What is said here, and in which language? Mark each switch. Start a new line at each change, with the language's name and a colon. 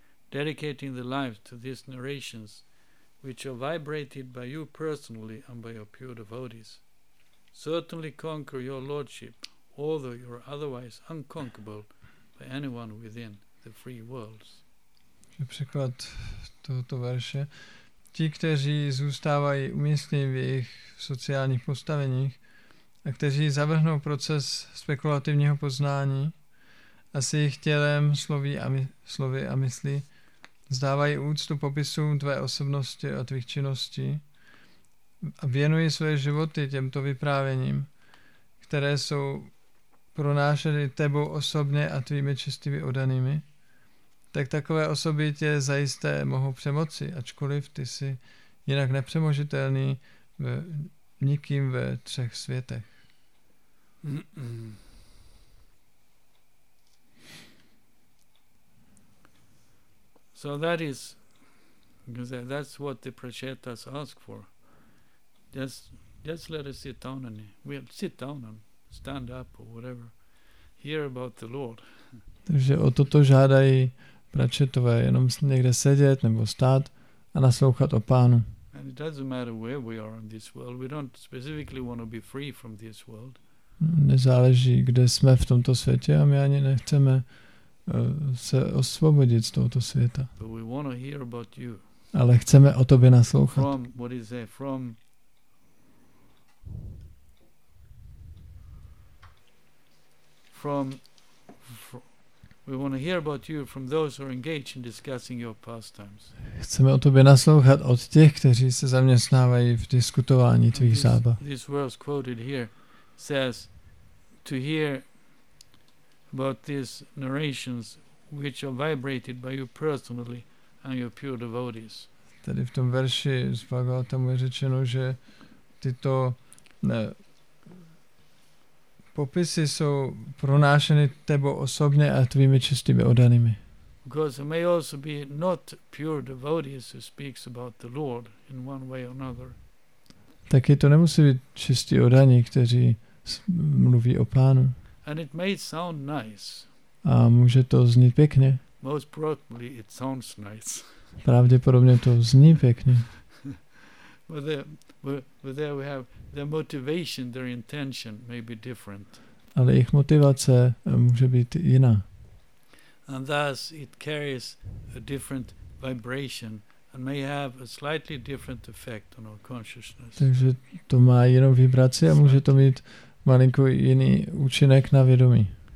English: dedicating the lives to these narrations which are vibrated by you personally and by your pure devotees, certainly conquer your lordship, although you are otherwise unconquerable by anyone within the three worlds.
Czech: Příklad tohoto verše. Ti, kteří zůstávají umístěni v jejich sociálních postaveních a kteří zavrhnou proces spekulativního poznání a s jejich tělem slovy a myslí vzdávají úctu popisům tvé osobnosti a tvých činností a věnují své životy těmto vyprávěním, které jsou pronášeny tebou osobně a tvými čistými oddanými, tak takové osoby tě zajisté mohou přemoci, ačkoliv ty jsi jinak nepřemožitelný nikým ve třech světech.
English: So that is, that's what the prachetas ask for. Just let us sit down and we'll sit down and stand up or whatever. Hear about the Lord.
Czech: Takže o toto žádají pračetové, jenom někde sedět nebo stát a naslouchat o Pánu.
English: And it doesn't matter where we are in this world. We don't specifically want to be free from this world.
Czech: Nezáleží, kde jsme v tomto světě, a my ani nechceme se osvobodit z tohoto světa.
English: But we want to hear about you.
Czech: Ale chceme o tobě naslouchat.
English: From what is there, from we want to hear about you from those who are engaged in discussing your pastimes.
Czech: Chceme o tobě naslouchat od těch, kteří se zaměstnávají v diskutování tvých zábav.
English: This verse quoted here says to hear about these narrations which are vibrated by you personally and your pure devotees.
Czech: Tady v tom verši z Bhagavatam je řečeno, že tyto popisy jsou pronášeny tebou osobně a tvými čistými oddanými.
English: Because there may also be not pure devotees who speaks about the Lord in one way or another.
Czech: Taky to nemusí být čistí oddaní, kteří mluví o Pánu.
English: And it may sound nice.
Czech: A může to znít pěkně.
English: Most probably it sounds nice.
Czech: Pravděpodobně to zní pěkně.
English: But there we have their motivation, their intention may be different.
Czech: Ale jejich motivace může být jiná.
English: And thus it carries a different vibration and may have a slightly different effect on our consciousness.
Czech: Takže to má jinou vibraci a může to mít malinko jiný účinek na vědomí.